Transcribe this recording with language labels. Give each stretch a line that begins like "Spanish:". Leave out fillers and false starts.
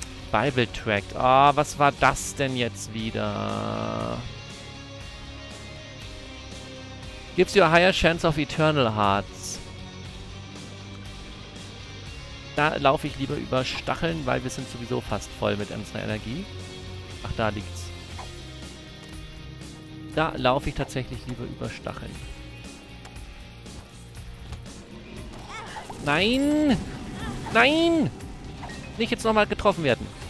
English: Bible Tracked.
German: Ah, oh, was war das denn jetzt wieder?
English: Gives you a higher chance of eternal hearts.
German: Da laufe ich lieber über Stacheln, weil wir sind sowieso fast voll mit unserer Energie. Ach, da liegt's. Da laufe ich tatsächlich lieber über Stacheln. Nein! Nein! Nicht jetzt nochmal getroffen werden.